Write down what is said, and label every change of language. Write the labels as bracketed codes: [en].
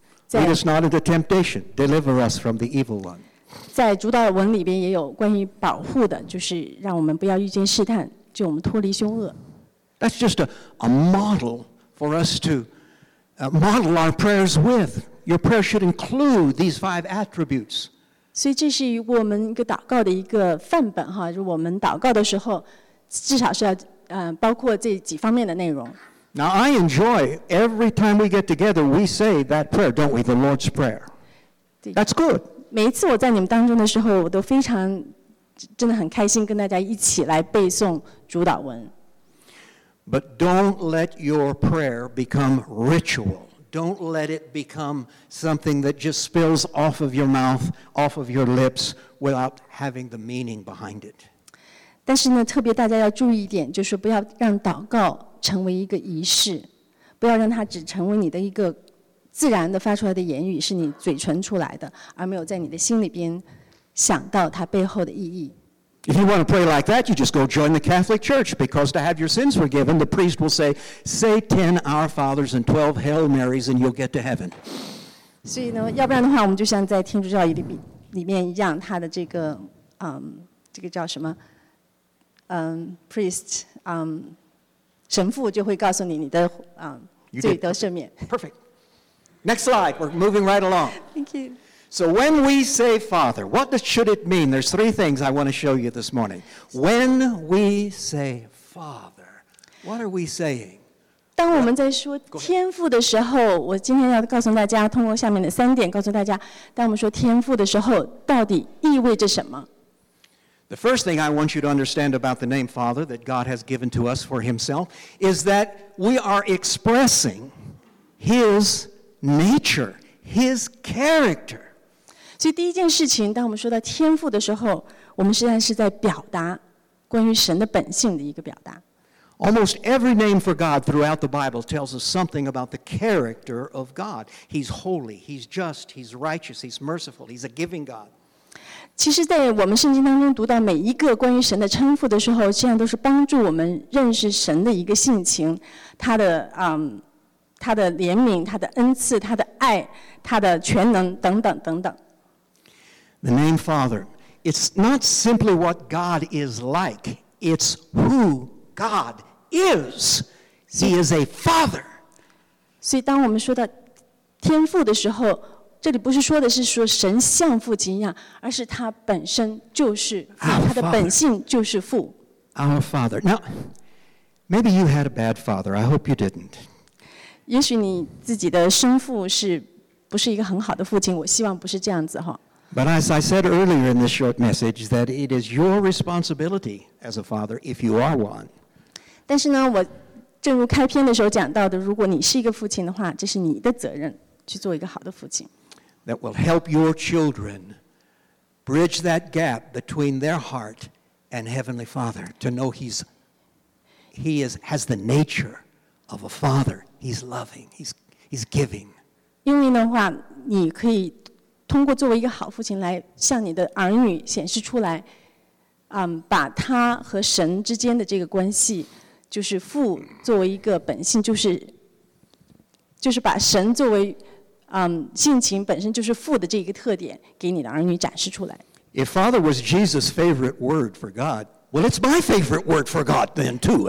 [en] Lead us not into temptation. Deliver us from the evil one. [zh] 在主导文里边也有关于保护的，就是让我们不要遇见试探，就我们脱离凶恶。 [en] That's just a model for us to model our prayers with. Your prayer should include these five attributes. [zh] 所以这是我们一个祷告的一个范本哈，就我们祷告的时候，至少是要。包括这几方面的内容。 [en] Now I enjoy every time we get together, we say that prayer, don't we? The Lord's Prayer. That's good. [zh] 每一次我在你们当中的时候，我都非常真的很开心跟大家一起来背诵主导文。 [en] But don't let your prayer become ritual. Don't let it become something that just spills off of your mouth, off of your lips, without having the meaning behind it. [zh] 但是呢，特别大家要注意一点，就是不要让祷告成为一个仪式，不要让它只成为你的一个自然的发出来的言语，是你嘴唇出来的，而没有在你的心里边想到它背后的意义。 [en] If you want to pray like that, you just go join the Catholic Church, because to have your sins forgiven, the priest will say 10 Our Fathers and 12 Hail Marys, and you'll get to heaven. [zh] 所以呢，要不然的话，我们就像在天主教里面一样，他的这个这个叫什么？ priest, 神父就会告诉你你的罪得赦免。 [en] Perfect. Next slide. We're moving right along. Thank you. So when we say Father, what should it mean? There's three things I want to show you this morning. When we say Father, what are we saying? [zh] 当我们在说天父的时候，我今天要告诉大家，通过下面的三点告诉大家，当我们说天父的时候，到底意味着什么？ [en] The first thing I want you to understand about the name Father that God has given to us for Himself is that we are expressing His nature, His character. [zh] 所以第一件事情，当我们说到天父的时候，我们实际上是在表达关于神的本性的一个表达。 [en] Almost every name for God throughout the Bible tells us something about the character of God. He's holy, He's just, He's righteous, He's merciful, He's a giving God. [zh] 其实在我们圣经当中读到每一个关于神的称呼的时候，这样都是帮助我们认识神的一个性情，他的他的怜悯，他的恩赐，他的爱，他的全能等等等等。 [en] The name Father. It's not simply what God is like. It's who God is. He is a father. [zh] 所以当我们说到天父的时候，这里不是说的是说神像父亲一样，而是他本身就是他的本性就是父。 [en] Our Father. Now, maybe you had a bad father. I hope you didn't. [zh] 也许你自己的生父是不是一个很好的父亲，我希望不是这样子哈。 [en] But as I said earlier in this short message, that it is your responsibility as a father, if you are one. [zh] 但是呢，我正如开篇的时候讲到的，如果你是一个父亲的话，这是你的责任，去做一个好的父亲。 [en] That will help your children bridge that gap between their heart and Heavenly Father to know he has the nature of a father. He's loving. He's giving. [zh] 因为的话，你可以通过作为一个好父亲来向你的儿女显示出来，把他和神之间的这个关系，就是父作为一个本性，就是把神作为性情本身就是父的这一个特点给你的儿女展示出来。 [en] If father was Jesus' favorite word for God, well, it's my favorite word for God then too.